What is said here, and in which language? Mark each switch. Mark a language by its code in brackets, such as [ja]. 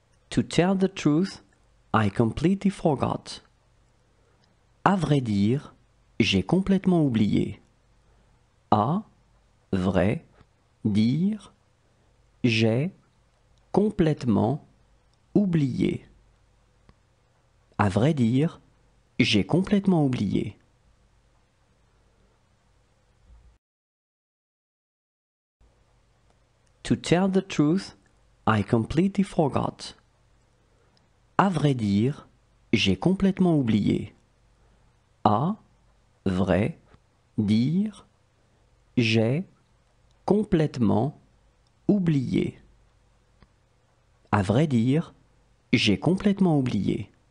[en] To tell the truth, I completely forgot. [fr] À vrai dire, j'ai complètement oublié. À vrai dire, j'ai complètement oublié. À vrai dire, j'ai complètement oublié. [en] To tell the truth, I completely forgot. [fr] À vrai dire, j'ai complètement oublié. À vrai dire, j'ai complètement oublié. À vrai dire, j'ai complètement oublié.